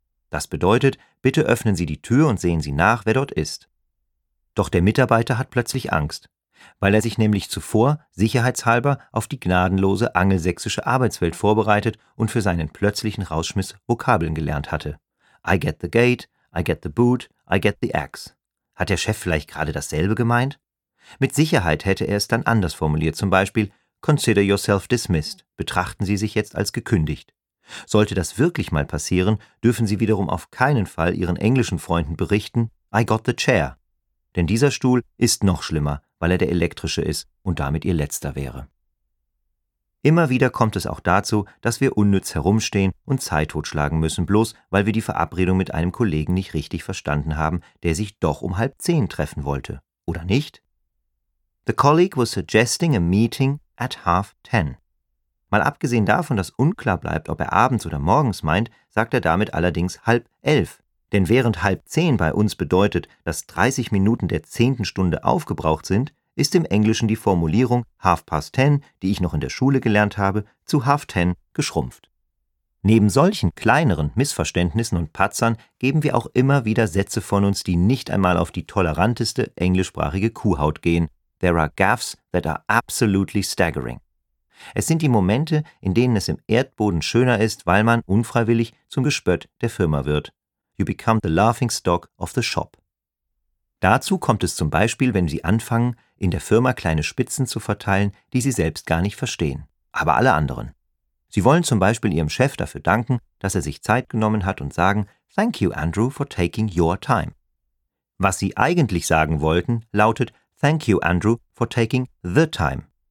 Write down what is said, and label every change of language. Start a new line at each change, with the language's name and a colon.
German: Das bedeutet, bitte öffnen Sie die Tür und sehen Sie nach, wer dort ist. Doch der Mitarbeiter hat plötzlich Angst, weil er sich nämlich zuvor sicherheitshalber auf die gnadenlose angelsächsische Arbeitswelt vorbereitet und für seinen plötzlichen Rausschmiss Vokabeln gelernt hatte.
English: I get the gate, I get the boot, I get the axe.
German: Hat der Chef vielleicht gerade dasselbe gemeint? Mit Sicherheit hätte er es dann anders formuliert, zum Beispiel
English: consider yourself dismissed,
German: betrachten Sie sich jetzt als gekündigt. Sollte das wirklich mal passieren, dürfen Sie wiederum auf keinen Fall Ihren englischen Freunden berichten,
English: I got the chair.
German: Denn dieser Stuhl ist noch schlimmer, weil er der elektrische ist und damit Ihr letzter wäre. Immer wieder kommt es auch dazu, dass wir unnütz herumstehen und Zeit totschlagen müssen, bloß weil wir die Verabredung mit einem Kollegen nicht richtig verstanden haben, der sich doch um 9:30 treffen wollte. Oder nicht?
English: The colleague was suggesting a meeting at 10:30.
German: Mal abgesehen davon, dass unklar bleibt, ob er abends oder morgens meint, sagt er damit allerdings 10:30. Denn während 9:30 bei uns bedeutet, dass 30 Minuten der 10. Stunde aufgebraucht sind, ist im Englischen die Formulierung 10:30, die ich noch in der Schule gelernt habe, zu 9:30 geschrumpft. Neben solchen kleineren Missverständnissen und Patzern geben wir auch immer wieder Sätze von uns, die nicht einmal auf die toleranteste englischsprachige Kuhhaut gehen.
English: There are gaffes that are absolutely staggering.
German: Es sind die Momente, in denen es im Erdboden schöner ist, weil man unfreiwillig zum Gespött der Firma wird.
English: You become the laughing stock of the shop.
German: Dazu kommt es zum Beispiel, wenn Sie anfangen, in der Firma kleine Spitzen zu verteilen, die Sie selbst gar nicht verstehen, aber alle anderen. Sie wollen zum Beispiel Ihrem Chef dafür danken, dass er sich Zeit genommen hat und sagen,
English: Thank you, Andrew, for taking your time.
German: Was Sie eigentlich sagen wollten, lautet,
English: Thank you, Andrew, for taking the time.